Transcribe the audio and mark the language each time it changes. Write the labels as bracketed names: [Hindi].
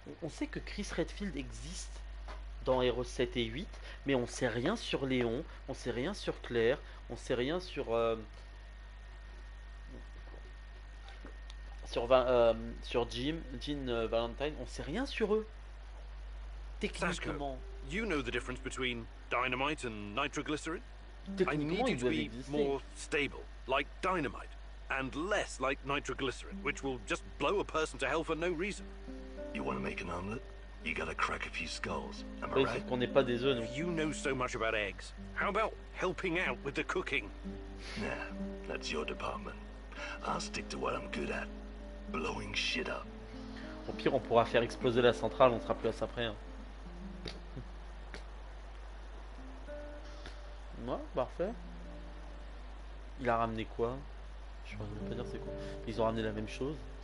[French] On sait que Chris Redfield existe dans Hero 7 et 8, mais on sait rien sur Léon, on sait rien sur Claire, on sait rien sur sur Jean Valentine, on sait rien sur eux. Techniquement, [English] Sasko, you know the difference between dynamite and nitroglycerin? [French] Techniquement, [English] I need you to be more stable, like dynamite. And less like nitroglycerin, which will just blow a person to hell for no reason. You want to make an omelet? You gotta crack a few skulls. Am I right? [French] On n'est pas des œufs. [English] You know so much about eggs. How about helping out with the cooking? Nah, that's your department. I'll stick to what I'm good at. Blowing shit up. [French] Au pire, on pourra faire exploser la centrale. On sera plus à ça près. Hein. Ouais, parfait. Il a ramené quoi? Je ne peux pas dire c'est quoi. Ils ont ramené la même chose.